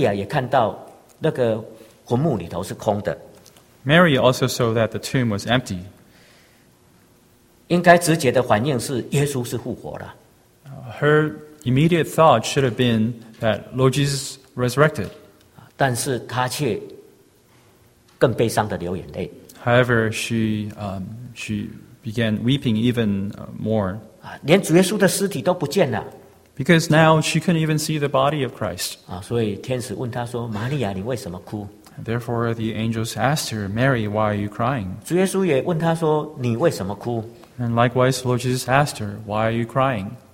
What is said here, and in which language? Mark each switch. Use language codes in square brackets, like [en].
[zh] 玛利亚也看到那个坟墓里头是空的。 [en] Mary also saw that the tomb was empty. [zh] 应该直接的反应是耶稣是复活了。 [en] Her immediate thought should have been that Lord Jesus resurrected. [zh] 但是她却 更悲伤的流眼泪。 [en] However, she began weeping even more. [zh] 连主耶稣的尸体都不见了。 [en] Because now she couldn't even see the body of Christ. [zh] 所以天使问她说：“玛利亚，你为什么哭？” [en] Therefore, the angels asked her, Mary, why are you crying? [zh] 主耶稣也问她说：“你为什么哭？” [en] And likewise, Lord Jesus asked her, why are you crying?